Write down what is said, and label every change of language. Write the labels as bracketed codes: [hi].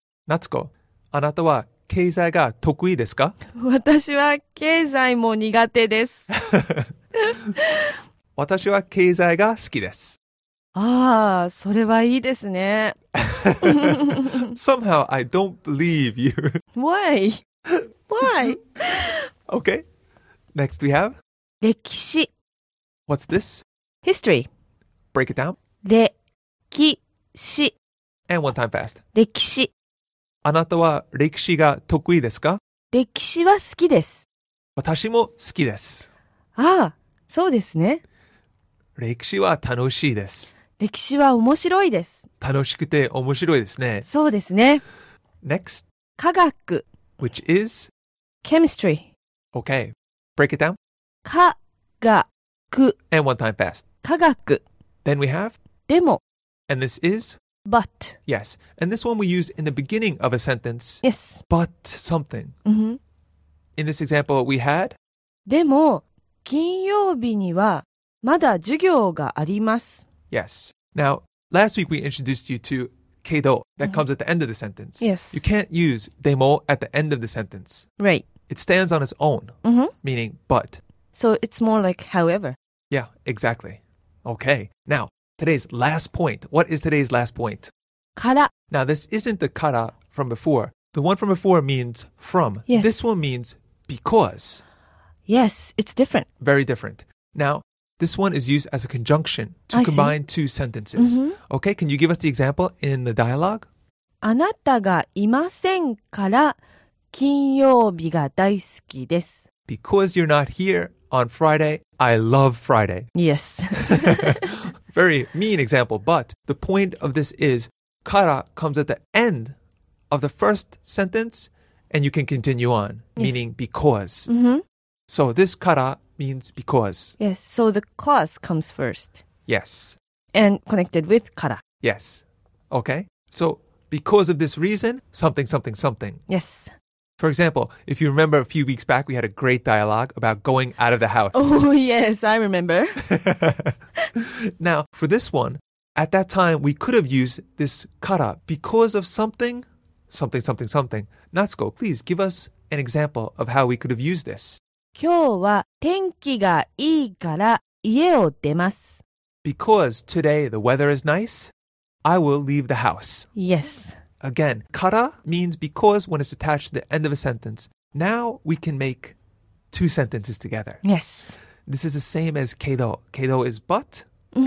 [ja] Natsuko, anata wa 経済が得意ですか? 私は経済も苦手です。私は経済が好きです。ああ、それはいいですね。 [en] Somehow, I don't believe you. Why? Why? Okay. Next we have? [ja] 歴史。 [en] What's this? History. Break it down. [ja] 歴史。 [en] And one time fast. [ja] 歴史。あなたは歴史が得意ですか? 歴史は好きです。私も好きです。ああ、そうですね。歴史は楽しいです。歴史は面白いです。楽しくて面白いですね。そうですね。 [en] Next. [ja] 科学。 [en] Which is? Chemistry. Okay. Break it down. [ja] 科学。 [en] And one time fast. [ja] 科学。 [en] Then we have? [ja] でも。 [en] And this is? But. Yes. And this one we use in the beginning of a sentence. Yes. But something. Mm-hmm. In this example, we had. [ja] でも、金曜日にはまだ授業があります。 [en] Yes. Now, last week we introduced you to けど that mm-hmm. comes at the end of the sentence. Yes. You can't use でも at the end of the sentence. Right. It stands on its own, mm-hmm. meaning but. So it's more like however. Yeah, exactly. Okay. Now. Today's last point. What is today's last point? [ja] から. [en] Now, this isn't the から from before. The one from before means from. Yes. This one means because. Yes, it's different. Very different. Now, this one is used as a conjunction to combine two sentences. Mm-hmm. Okay, can you give us the example in the dialogue? [ja] あなたがいませんから金曜日が大好きです。 [en] Because you're not here on Friday, I love Friday. Yes. Very mean example, but the point of this is から comes at the end of the first sentence and you can continue on, yes. meaning because. Mm-hmm. So this から means because. Yes, so the cause comes first. Yes. And connected with から. Yes. Okay. So because of this reason, something, something, something. Yes. For example, if you remember a few weeks back, we had a great dialogue about going out of the house. Oh, yes, I remember. Now, for this one, at that time, we could have used this から because of something, something, something, something. Natsuko, please give us an example of how we could have used this. [ja] 今日は天気がいいから家を出ます。 [en] Because today the weather is nice, I will leave the house. Yes. Again, から means because when it's attached to the end of a sentence. Now we can make two sentences together. Yes. This is the same as けど. けど is but, mm-hmm.